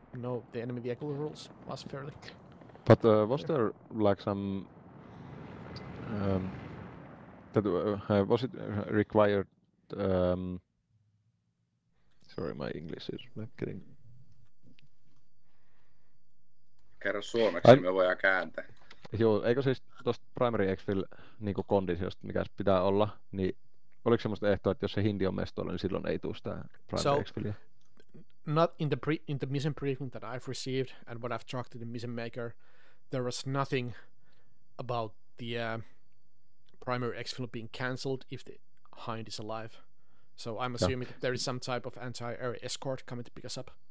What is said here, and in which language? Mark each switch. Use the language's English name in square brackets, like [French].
[English] No, the enemy vehicle rules was fairly... But was there like some was it required sorry my English is not getting [Finnish] kerro suomeksi me voidaan kääntää. Joo, eikö siis tosta primary exfil niinku kondisiosta mikä pitää olla, niin oliko semmoista ehtoa, että jos se hindi on mestolla, niin silloin ei tuu sitä primary exfilia? [English] Not in the in the mission briefing that I've received and what I've talked to the mission maker, there was nothing about the primary exfil being cancelled if the Hind is alive. So I'm assuming that there is some type of anti-air escort coming to pick us up.